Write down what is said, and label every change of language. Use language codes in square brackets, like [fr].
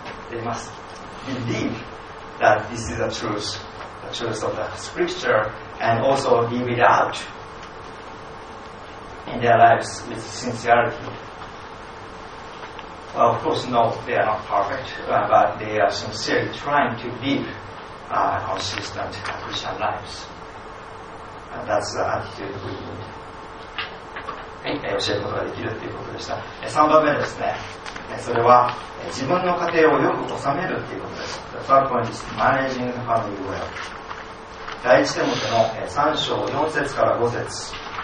[en] They must believe that this is the truth of the scripture, and also live it out. In their lives with sincerity. Well, of course, no, they are not perfect, but they are sincerely trying to live consistent Christian lives. And that's the attitude we need. [ja] はい、教えることができるということでした。3番目ですね。それは自分の家庭をよく収めるということです。 [en] The third point is managing the family well. [ja] 第1テモテの3章4節から5節。